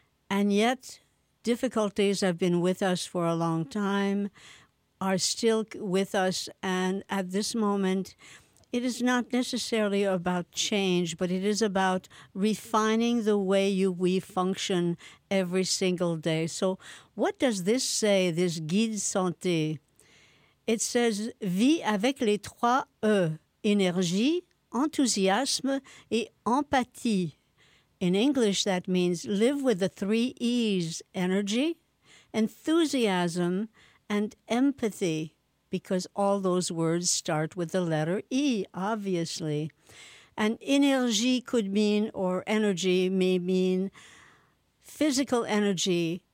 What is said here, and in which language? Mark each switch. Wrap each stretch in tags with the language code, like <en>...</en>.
<en>And yet, difficulties have been with us for a long time, are still with us. And at this moment, it is not necessarily about change, but it is about refining the way we function every single day. So what does this say, this Guide Santé? It says,</en> <fr>vis avec les trois E, énergie, enthousiasme et empathie.</fr> <en>In English, that means live with the three E's, energy, enthusiasm, and empathy. Because all those words start with the letter E, obviously. And énergie could mean, or energy may mean, physical energy.</en>